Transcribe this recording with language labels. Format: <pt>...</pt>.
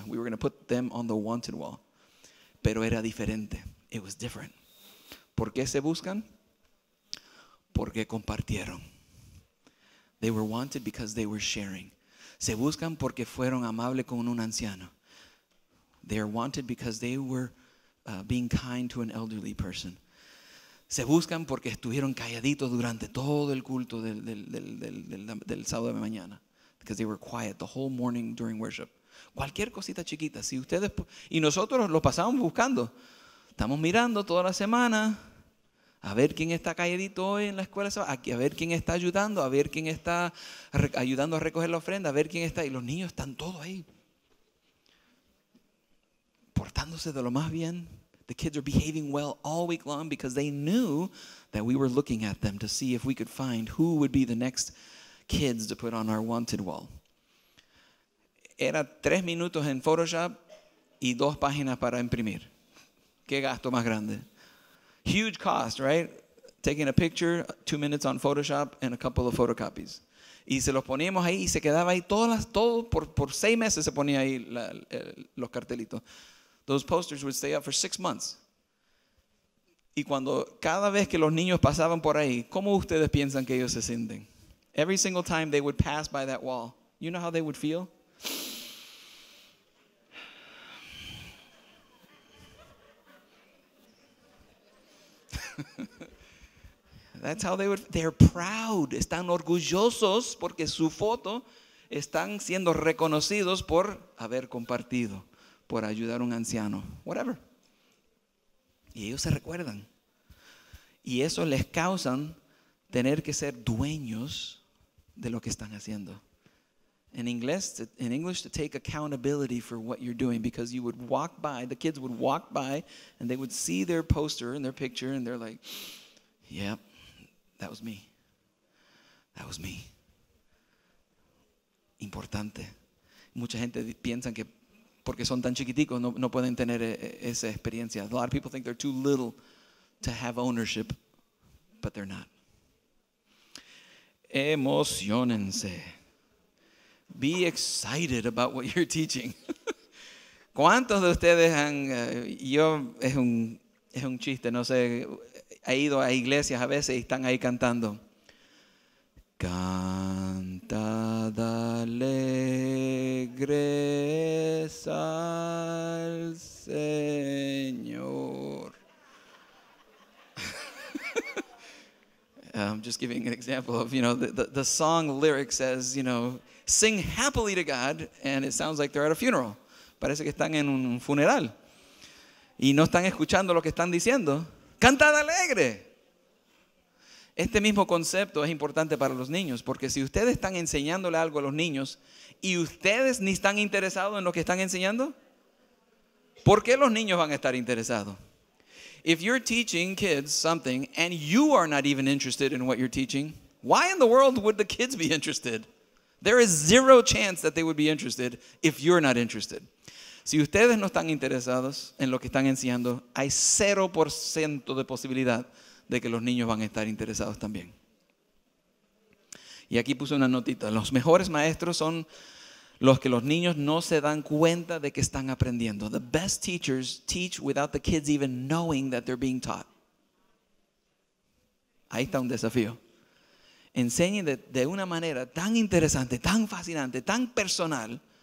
<en>We were going to put them on the wanted wall.</en> <es>Pero era diferente.</es> <en>It was different.</en> <es>¿Por qué se buscan? Porque compartieron.</es> <en>They were wanted because they were sharing.</en> <es>Se buscan porque fueron amables con un anciano.</es> <en>They are wanted because they were being kind to an elderly person.</en> <es>Se buscan porque estuvieron calladitos durante todo el culto del sábado de mañana.</es> <en>Because they were quiet the whole morning during worship.</en> <es>Cualquier cosita chiquita. Si ustedes, y nosotros lo pasamos buscando. Estamos mirando toda la semana a ver quién está calladito hoy en la escuela. A ver quién está ayudando. A ver quién está ayudando a recoger la ofrenda. A ver quién está. Y los niños están todos ahí. Portándose de lo más bien.</es> <en>The kids are behaving well all week long because they knew that we were looking at them to see if we could find who would be the next kids to put on our wanted wall.</en> <es>Era 3 minutos en Photoshop y 2 páginas para imprimir. Qué gasto más grande.</es> <en>Huge cost, right? Taking a picture, 2 minutes on Photoshop and a couple of photocopies.</en> <es>Y se los poníamos ahí y se quedaba ahí todo por 6 meses se ponía ahí los cartelitos.</es> <en>Those posters would stay up for 6 months.</en> <es>Y cuando cada vez que los niños pasaban por ahí, ¿cómo ustedes piensan que ellos se sienten?</es> <en>Every single time they would pass by that wall, you know how they would feel? That's how they would, they're proud.</en> <es>Están orgullosos porque su foto están siendo reconocidos por haber compartido. Por ayudar a un anciano. Whatever. Y ellos se recuerdan. Y eso les causa tener que ser dueños de lo que están haciendo.</es> <en>In English, to take accountability for what you're doing. Because you would walk by, the kids would walk by, and they would see their poster and their picture, and they're like, yeah, that was me. That was me.</en> <es>Importante. Mucha gente piensa que porque son tan chiquiticos, no pueden tener esa experiencia.</es> <en>A lot of people think they're too little to have ownership, but they're not.</en> <es>Emocionense.</es> <en>Be excited about what you're teaching.</en> <es>¿Cuántos de ustedes han, yo, es un chiste, no sé, he ido a iglesias a veces y están ahí cantando? Cantad alegres al Señor.</es> <en>I'm just giving an example of, you know, the song lyric says, you know, sing happily to God, and it sounds like they're at a funeral.</en> <es>Parece que están en un funeral y no están escuchando lo que están diciendo. Cantad alegre. Este mismo concepto es importante para los niños, porque si ustedes están enseñándole algo a los niños y ustedes ni están interesados en lo que están enseñando, ¿por qué los niños van a estar interesados?</es> <en>If you're teaching kids something and you are not even interested in what you're teaching, why in the world would the kids be interested? There is zero chance that they would be interested if you're not interested.</en> <es>Si ustedes no están interesados en lo que están enseñando, hay 0% de posibilidad de que los niños van a estar interesados también. Y aquí puse una notita. Los mejores maestros son los que los niños no se dan cuenta de que están aprendiendo.</es> <en>The best teachers teach without the kids even knowing that they're being taught.</en> <es>Ahí está un desafío. Enseñen de una manera tan interesante, tan fascinante, tan personal.</es>